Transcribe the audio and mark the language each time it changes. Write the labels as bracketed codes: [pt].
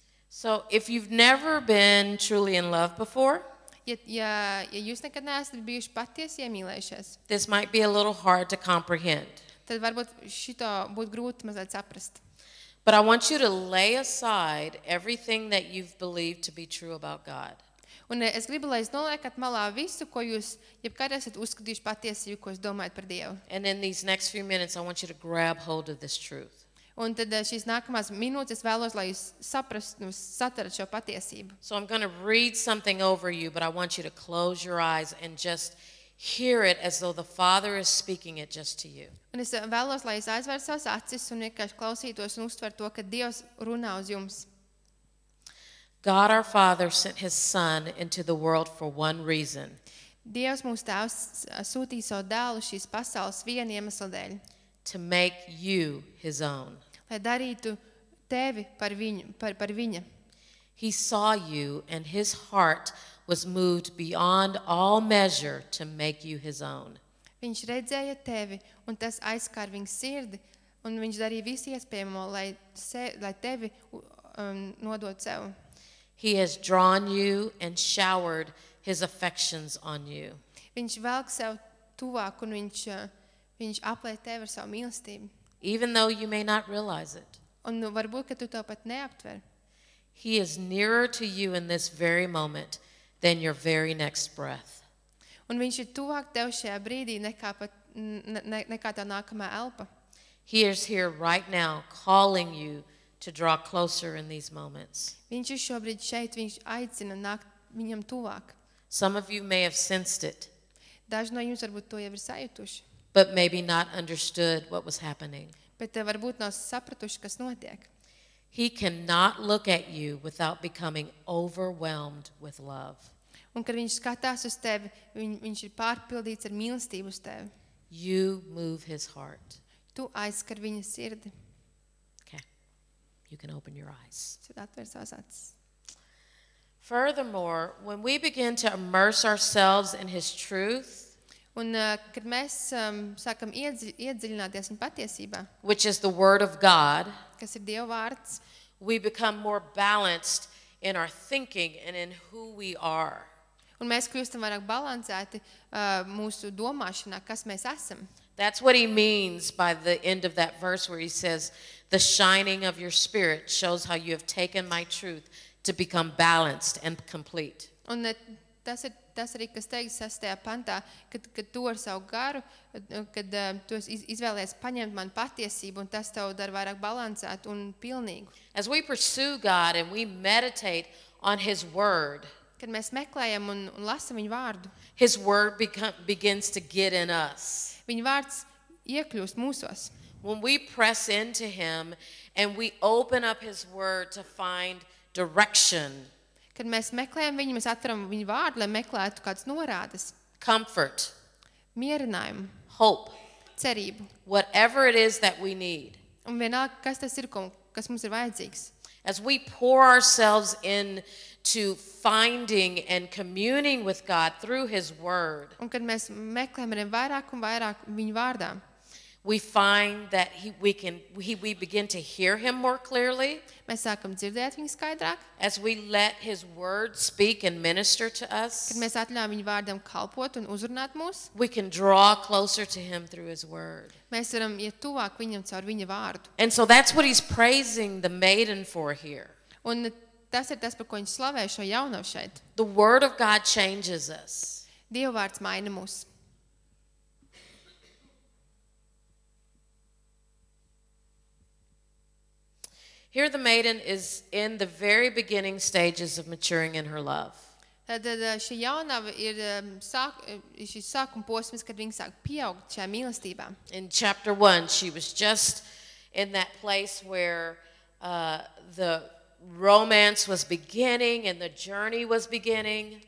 [en] So, if you've never been truly in love before, [lv] ja jūs nekad neesat bijuši patiesi iemīlējušies, [en] this might be a little hard to comprehend. [lv] Tad varbūt šito būtu grūti mazliet saprast. [en] But I want you to lay aside everything that you've believed to be true about God. [lv] Un es gribu, lai jūs noliekat malā visu, ko jūs jebkad esat uzskatījuši patiesību, ko jūs domājat par Dievu. [en] And in these next few minutes, I want you to grab hold of this truth. [lv] Un tad šīs nākamās minūtes es vēlos, lai jūs saprastu, satverat šo patiesību. [en] So I'm going to read something over you, but I want you to close your eyes and just hear it as though the Father is speaking it just to you. [lv] Un es vēlos, lai es aizvērtu savas acis un vienkārši klausītos un uztvertu to, ka Dievs runā uz jums. [en] God our Father sent his son into the world for one reason. [lv] Dievs mūsu Tēvs sūtīja savu dēlu šīs pasaules viena iemesla dēļ. [en] To make you his own. [lv] Lai darītu tevi par viņu, par viņa. [en] He saw you and his heart was moved beyond all measure to make you his own. [lv] Viņš redzēja tevi, un tas aizskāra viņa sirdi, Un viņš darīja visu iespējamo, lai tevi nodot sev. [en] He has drawn you and showered his affections on you. [lv] Viņš velk sev tuvāk un viņš aplēt tevi ar savu mīlestību. [en] Even though you may not realize it. [lv] Un varbūt, ka tu to pat neaptver. [en] He is nearer to you in this very moment than your very next breath. [lv] Un viņš ir tuvāk tev šajā brīdī nekā pat nekā tā nākamā elpa. [en] He is here right now calling you to draw closer in these moments. [lv] Viņš ir šobrīd šeit, viņš aicina nākt viņam tuvāk. [en] Some of you may have sensed it. [lv] Daži no jums varbūt to jau ir sajutuši. [en] But maybe not understood what was happening. [lv] Bet varbūt nav sapratuši, kas notiek. [en] He cannot look at you without becoming overwhelmed with love. [lv] Un kad viņš skatās uz tevi, viņš ir pārpildīts ar mīlestību uz tevi. [en] You move his heart. [lv] Tu aizskar viņa sirdi. [en] Okay. You can open your eyes. [lv] Tad atver savas acis. [en] Furthermore, when we begin to immerse ourselves in his truth, [lv] un kad mēs sākam iedziļināties un patiesībā, [en] which is the word of God, [lv] kas ir Dieva vārds, [en] we become more balanced in our thinking and in who we are. [lv] Un mēs kļūstam vairāk balansēti mūsu domāšanā, kas mēs esam. [en] That's what he means by the end of that verse where he says, the shining of your spirit shows how you have taken my truth to become balanced and complete. [lv] Un tas arī, kas teiks sastajā pantā, kad tu ar savu garu, kad tu izvēlies paņemt man patiesību, un tas tev dar vairāk balansēt un pilnīgu. [en] As we pursue God and we meditate on his word, [lv] kad mēs meklējam un lasam viņu vārdu, [en] his word begins to get in us. [lv] Viņa vārds iekļūst mūsos. [en] When we press into him and we open up his word to find direction. [lv] Kad mēs meklējam viņu, mēs atveram viņa vārdu, lai meklētu kādas norādes. [en] Comfort. [lv] Mierinājumu. [en] Hope. [lv] Cerību. [en] Whatever it is that we need. [lv] Un vienalga, kas tas ir, kas mums ir vajadzīgs. [en] As we pour ourselves in to finding and communing with God through his word. [lv] Un kad mēs meklējam arī vairāk un vairāk viņa vārdā. [en] We find that we begin to hear him more clearly. [lv] Mēs sākam dzirdēt viņu skaidrāk. [en] As we let his word speak and minister to us. [lv] Kad mēs atļaujam viņa vārdam kalpot un uzrunāt mūs. [en] We can draw closer to him through his word. [lv] Mēs varam iet tuvāk viņam caur viņa vārdu. [en] And so that's what he's praising the maiden for here. [lv] Un tas ir tas, par ko viņš slavē šo jaunu šeit. [en] The word of God changes us. [lv] Dieva vārds maina mūs. [en] Here the maiden is in the very beginning stages of maturing in her love. [lv] Tad šī jaunava ir šī sākuma posms, kad viņa sāk pieaugt šajā mīlestībā. [en] In chapter 1, she was just in that place where the romance was beginning and the journey was beginning.